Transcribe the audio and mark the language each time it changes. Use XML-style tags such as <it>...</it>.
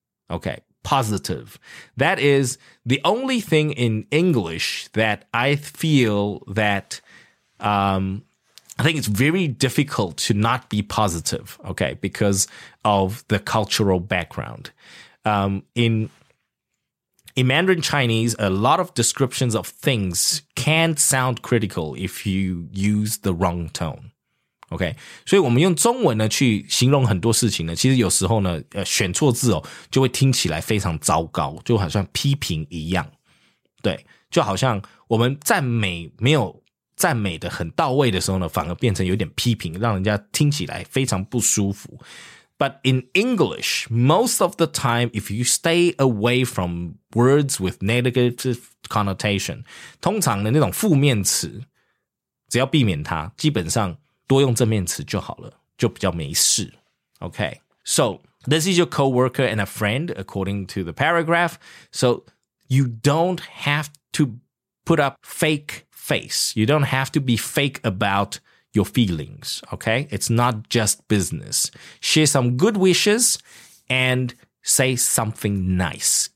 <en>Okay, positive. That is the only thing in English that I feel that, I think it's very difficult to not be positive, okay, because of the cultural background. In Mandarin Chinese, a lot of descriptions of things can sound critical if you use the wrong tone.</en> <zh>OK， 所以我们用中文呢去形容很多事情呢，其实有时候呢，选错字哦，就会听起来非常糟糕，就好像批评一样。对，就好像我们赞美没有赞美的很到位的时候呢，反而变成有点批评，让人家听起来非常不舒服。</zh> <en>But in English, most of the time, if you stay away from words with negative connotation,</en> <zh>通常的那种负面词，只要避免它，基本上。多用正面词就好了，就比较没事。</zh> <en>Okay, so this is your coworker and a friend, according to the paragraph. So you don't have to put up fake face. You don't have to be fake about your feelings. Okay, it's not just business. Share some good wishes and say something nice.</en>